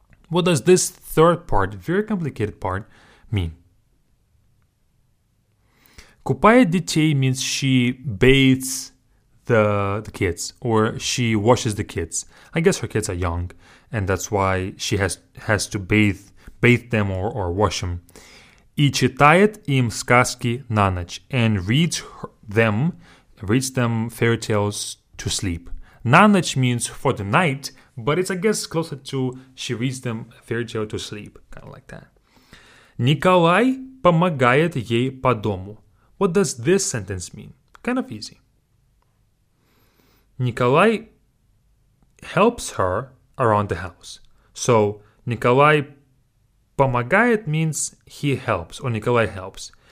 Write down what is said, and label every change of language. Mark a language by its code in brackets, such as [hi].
[en] What does this third part, very complicated part, mean? [ru] Купает детей [en] means she bathes the kids or she washes the kids. I guess her kids are young and that's why she has to bathe them or wash them. [ru] И читает им сказки на ночь. [en] And reads them fairy tales to sleep. На ночь means for the night, but it's, I guess, closer to she reads them fairy tale to sleep. Kind of like that. [ru] Николай помогает ей по дому. [en] What does this sentence mean? Kind of easy. Николай helps her around the house. So, [ru] Николай помогает [en] means he helps, or Николай helps.